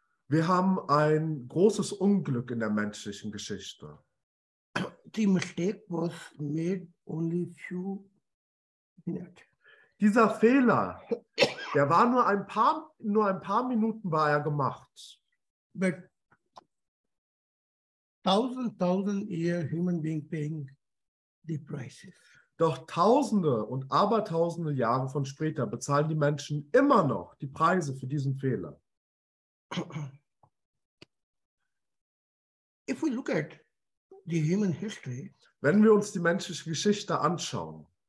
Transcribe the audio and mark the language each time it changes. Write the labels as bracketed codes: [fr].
[de] Wir haben ein großes Unglück in der menschlichen Geschichte. [en] The mistake was made only few minutes. [de] Dieser Fehler, der war nur ein paar Minuten war er gemacht. [en] But thousand year human being paying the prices. [de] Doch tausende und abertausende Jahre von später bezahlen die Menschen immer noch die Preise für diesen Fehler. [en] If we look at the human history, [de] wenn wir uns die menschliche Geschichte anschauen,